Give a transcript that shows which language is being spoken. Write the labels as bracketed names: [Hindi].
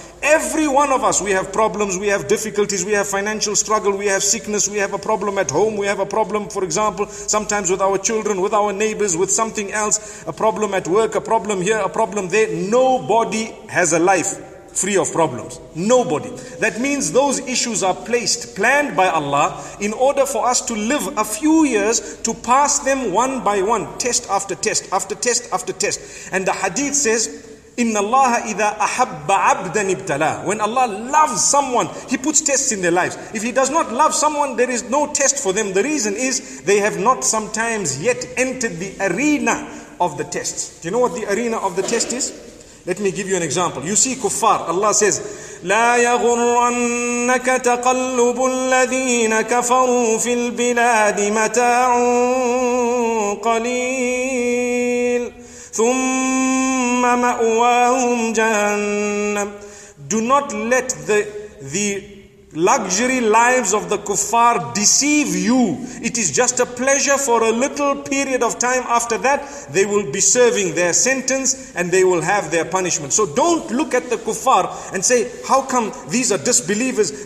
[English] Every one of us, we have problems, we have difficulties, we have financial struggle, we have sickness, we have a problem at home, we have a problem, for example, sometimes with our children, with our neighbors, with something else, a problem at work, a problem here, a problem there. Nobody has a life free of problems. Nobody. That means those issues are placed, planned by Allah, in order for us to live a few years, to pass them one by one, test after test, after test after test. And the hadith says, [Arabic] إِنَّ اللَّهَ إِذَا أَحَبَّ عَبْدًا ابْتَلَى. [English] When Allah loves someone, He puts tests in their lives. If He does not love someone, there is no test for them. The reason is, they have not sometimes yet entered the arena of the tests. Do you know what the arena of the test is? Let me give you an example. You see kuffar, Allah says, [Arabic] لَا يَغُرَّنَّكَ تَقَلُّبُ الَّذِينَ كَفَرُوا فِي الْبِلَادِ مَتَاعٌ قَلِيلٌ ثُمَّ مَأْوَاهُمْ جَهَنَّمٌ. [English] Do not let the luxury lives of the kuffar deceive you. It is just a pleasure for a little period of time. After that, they will be serving their sentence and they will have their punishment. So don't look at the kuffar and say, how come these are disbelievers?